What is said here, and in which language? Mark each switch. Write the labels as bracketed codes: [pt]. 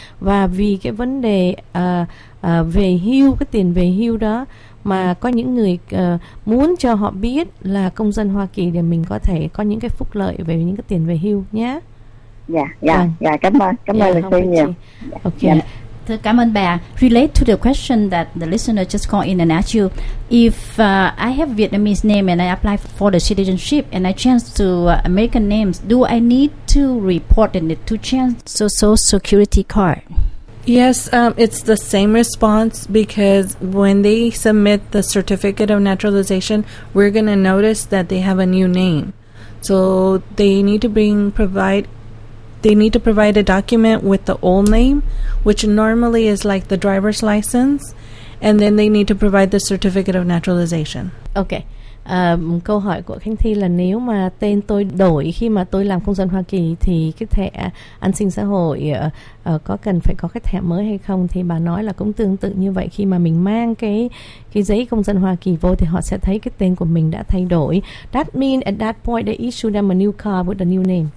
[vi] Và vì cái vấn đề về hưu, cái tiền về hưu đó, mà có những người muốn cho họ biết là công dân Hoa Kỳ để mình có thể có những cái phúc lợi về những cái tiền về hưu nhé. Dạ, dạ, dạ, cảm ơn luật sư nhiều. Ok. Yeah. Thưa, cảm ơn bà. [en] Relate to the question that the listener just called in and asked you, if I have a Vietnamese name and I apply for the citizenship and I change to American names, do I need to report and to change social security card? Yes, it's the same response, because when they submit the certificate of naturalization, we're going to notice that they have a new name. So they need to provide a document with the old name, which normally is like the driver's license, and then they need to provide the certificate of naturalization. Okay. [vi] Câu hỏi của Khánh Thi là nếu mà tên tôi đổi khi mà tôi làm công dân Hoa Kỳ thì cái thẻ an sinh xã hội có cần phải có cái thẻ mới hay không? Thì bà nói là cũng tương tự như vậy, khi mà mình mang cái giấy công dân Hoa Kỳ vô thì họ sẽ thấy cái tên của mình đã thay đổi. [en] That mean at that point they issue them a new card with a new name.